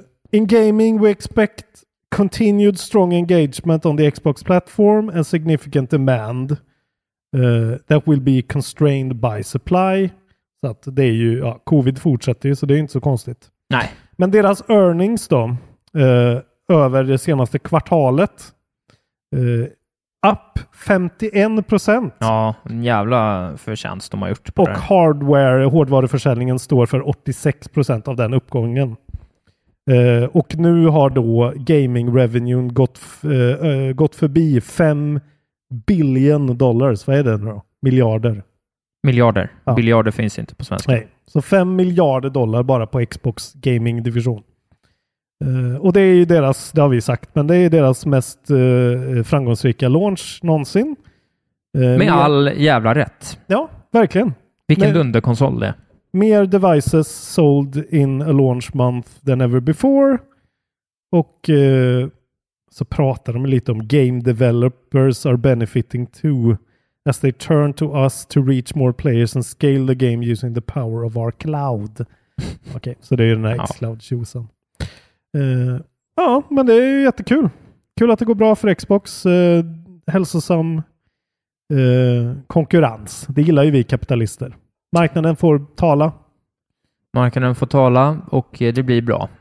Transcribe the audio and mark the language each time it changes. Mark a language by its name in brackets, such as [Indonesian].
[English] In gaming we expect continued strong engagement on the Xbox platform and significant demand that will be constrained by supply. [Swedish] Så att det är ju, covid fortsätter ju, så det är ju inte så konstigt. Nej. Men deras earnings då, över det senaste kvartalet, [English] up 51%. [Swedish] Ja, en jävla förtjänst de har gjort på och det. Och hårdvaruförsäljningen står för 86% av den uppgången. Och nu har då gaming revenue gått förbi $5 billion. Vad är det nu då? Miljarder. Miljarder. Ja. Biljarder finns inte på svenska. Nej, så $5 miljarder bara på Xbox gaming-division. Och det är ju deras, det har vi sagt, men det är deras mest framgångsrika launch någonsin. Med all jävla rätt. Ja, verkligen. Vilken dunderkonsol det är. Mer [English] devices sold in a launch month than ever before. [Swedish] Och så pratar de lite om [English] game developers are benefiting too. As they turn to us to reach more players and scale the game using the power of our cloud. [Swedish] Okej, så det är den här xCloud-tjusen. Ja, men det är jättekul. Kul att det går bra för Xbox. Hälsosam konkurrens. Det gillar ju vi kapitalister. Marknaden får tala. Marknaden får tala och det blir bra.